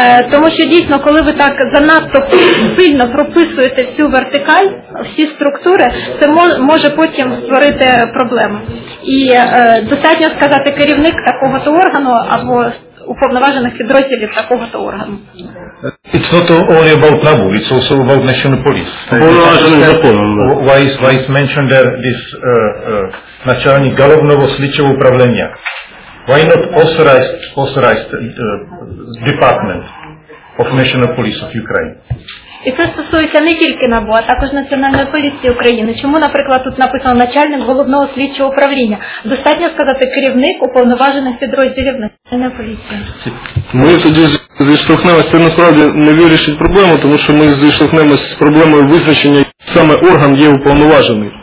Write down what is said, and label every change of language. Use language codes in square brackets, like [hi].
[uk] Тому що дійсно, коли ви так занадто сильно прописуєте всю вертикаль, всі структури, це може потім створити проблему. І достатньо сказати керівник такого-то органу або уповноважених підрозділів такого-то органу. [en] It's not only about NABU, it's also about National Police. [uk] Уповноважений законом. [en] Why is mentioned there this [uk] начальник головного слідчого управління? [en] Why not authorized department of National Police of Ukraine? [uk] І це стосується не тільки НАБУ, а також Національної поліції України. Чому, наприклад, тут написано начальник головного слідчого управління? Достатньо сказати керівник уповноважених підрозділів Національної поліції. Ми тоді зіштовхнемося, це насправді не вирішить проблему, тому що ми зіштовхнемося з проблемою визначення, саме орган є уповноважений.